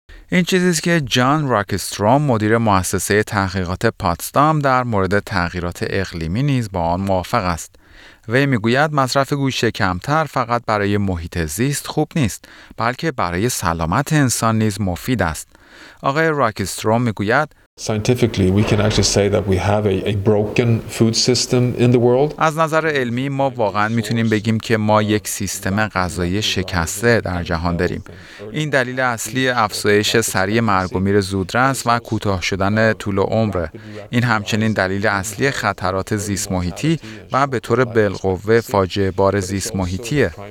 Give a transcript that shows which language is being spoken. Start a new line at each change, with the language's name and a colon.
Persian: این چیزیست که جان راکستروم مدیر مؤسسه تحقیقات پاتسدام در مورد تغییرات اقلیمی نیز با آن موافق است. وی میگوید مصرف گوشت کمتر فقط برای محیط زیست خوب نیست، بلکه برای سلامت انسان نیز مفید است. آقای راکستروم میگوید
English: Scientifically, we can actually say that we have a broken food system in the world.
Persian: از نظر علمی ما واقعاً میتونیم بگیم که ما یک سیستم غذایی شکسته در جهان داریم. این دلیل اصلی افزایش سریع مرگ و میر زودرس و کوتاه شدن طول عمر. این همچنین دلیل اصلی خطرات زیست محیطی و به طور بالقوه فاجعه بار زیست محیطیه.